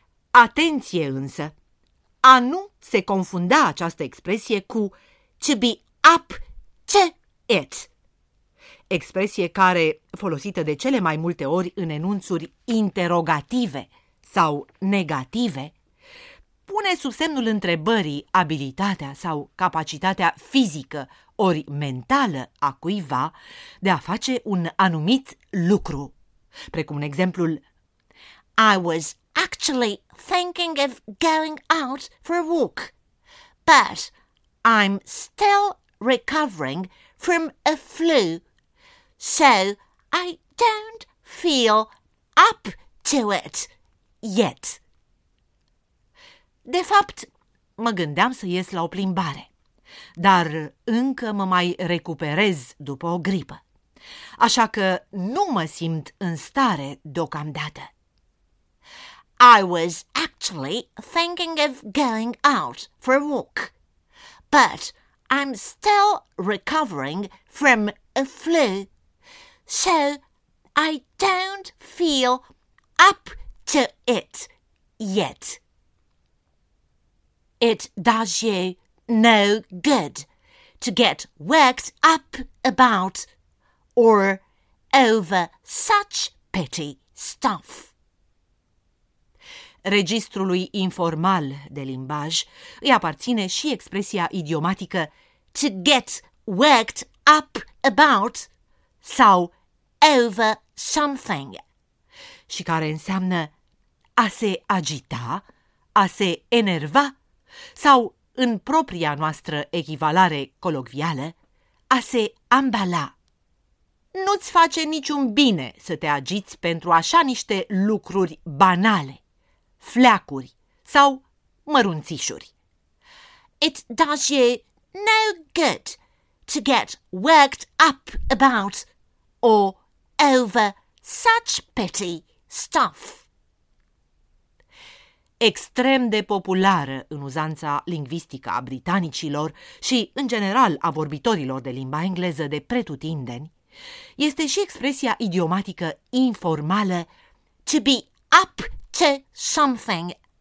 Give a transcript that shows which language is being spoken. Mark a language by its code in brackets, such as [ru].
[ro] Atenție însă, a nu se confunda această expresie cu to be up to it, expresie care, folosită de cele mai multe ori în enunțuri interrogative sau negative, pune sub semnul întrebării abilitatea sau capacitatea fizică ori mentală a cuiva de a face un anumit lucru, precum în exemplul [en] I was actually thinking of going out for a walk, but I'm still recovering from a flu, so I don't feel up to it yet. [ro] De fapt, mă gândeam să ies la o plimbare, dar încă mă mai recuperez după o gripă, așa că nu mă simt în stare deocamdată. [en] I was actually thinking of going out for a walk, but I'm still recovering from a flu, so I don't feel up to it yet. It does you no good to get worked up about or over such petty stuff. [ro] Registrului informal de limbaj îi aparține și expresia idiomatică [en] to get worked up about sau over something, [ro] și care înseamnă a se agita, a se enerva sau, în propria noastră echivalare colocvială, a se ambala. Nu-ți face niciun bine să te agiți pentru așa niște lucruri banale, fleacuri sau mărunțișuri. [en] It does you no good to get worked up about or over such petty stuff. [ro] Extrem de populară în uzanța lingvistică a britanicilor și, în general, a vorbitorilor de limba engleză de pretutindeni, este și expresia idiomatică informală [en] to be up to something.